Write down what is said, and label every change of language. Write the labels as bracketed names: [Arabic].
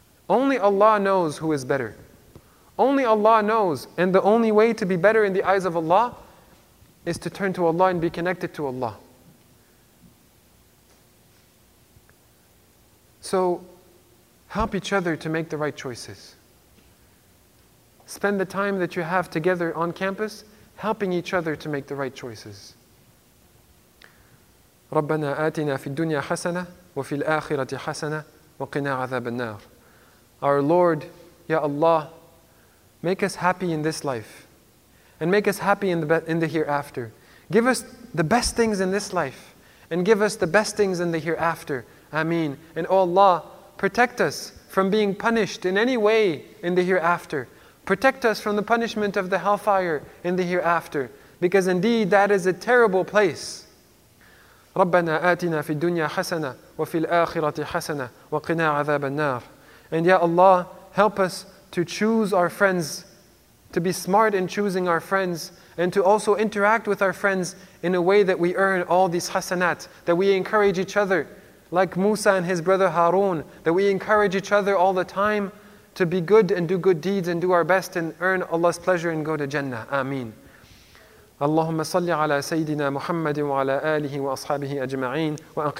[English] Only Allah knows who is better. Only Allah knows, and the only way to be better in the eyes of Allah is to turn to Allah and be connected to Allah. So, help each other to make the right choices. Spend the time that you have together on campus helping each other to make the right choices. [Arabic] ربنا آتنا في الدنيا حسنة وفي الآخرة حسنة وقنا عذاب النار. [English] Our Lord, Ya Allah, make us happy in this life and make us happy in the hereafter. Give us the best things in this life and give us the best things in the hereafter. Ameen. And O Allah, protect us from being punished in any way in the hereafter. Protect us from the punishment of the hellfire in the hereafter, because indeed that is a terrible place. [Arabic] ربنا آتنا في الدنيا حسنة وفي الآخرة حسنة وقنا عذاب النار. [English] And Ya Allah, help us to choose our friends, to be smart in choosing our friends, and to also interact with our friends in a way that we earn all these hasanat, that we encourage each other, like Musa and his brother Harun, that we encourage each other all the time to be good and do good deeds and do our best and earn Allah's pleasure and go to Jannah. Ameen. [Arabic] اللهم صل على سيدنا محمد وعلى آله وأصحابه أجمعين وأقم